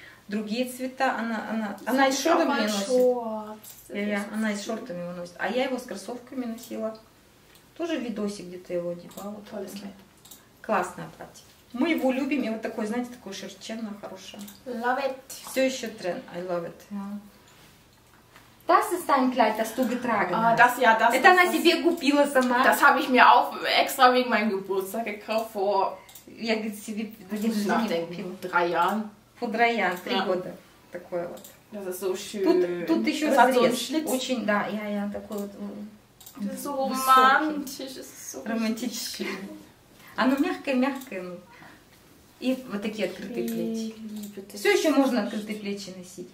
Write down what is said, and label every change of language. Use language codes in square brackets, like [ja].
[ru] Другие цвета. Она и шортами носит. Она и шортами его носит. А я его с кроссовками носила. Тоже видосик где-то его одевала. Классное платье. Мы его любим. И вот такое, знаете, такое шерченное, хорошее. [en] Love it. [ru] Все еще тренд. [en] I love it. [de] Das ist dein Kleid, das du getragen hast. Das, ja, das. [ru] Это она себе купила сама. [de] Das habe ich mir auch extra wegen meinem Geburtstag gekauft vor... [ru] Я себе... [de] Nachdenken. Drei Jahren. Vor drei Jahren, drei [ru] года. Такое вот. [de] Das ist so schön. [ru] Тут еще [de] das [ru] разрез. [de] Hat so einen Schlitz. [ru] Очень, да, я, ja, такой вот... [de] Das ist so romantisch. Das ist so romantisch. [ru] Оно мягкое-мягкое. И вот такие открытые плечи. Все еще можно открытые плечи носить.